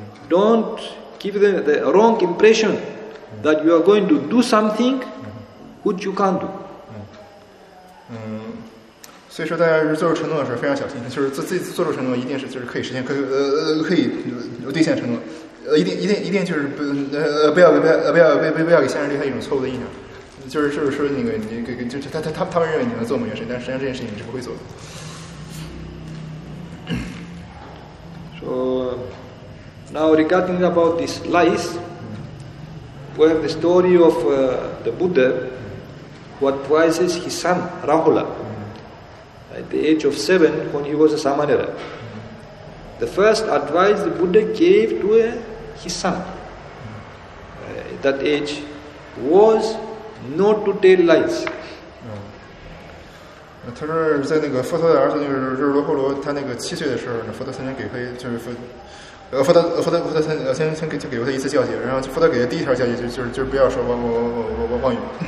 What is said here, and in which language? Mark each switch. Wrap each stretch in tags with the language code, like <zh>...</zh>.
<en>Don't give them the wrong impression that you are going to do something which you can't do.</en> <zh>所以说，大家做出承诺的时候非常小心，就是自己做出承诺，一定是就是可以实现，可以兑现承诺，一定就是不要给现实留下一种错误的印象，就是说那个你给就是他们认为你能做某件事，但实际上这件事情你是不会做的。</zh> <en>So now regarding about this lies, we have the story of the Buddha who advises his son Rahula. At the age of 7, when he was a Samanera, the first advice the Buddha gave to his son at that age was not to tell lies.</en> <zh>他说在那个佛陀的儿子就是罗侯罗，他那个七岁的时候，佛陀曾经给他就是佛陀曾经给过他一次教诫，然后佛陀给的第一条教诫就是不要说妄语。</zh>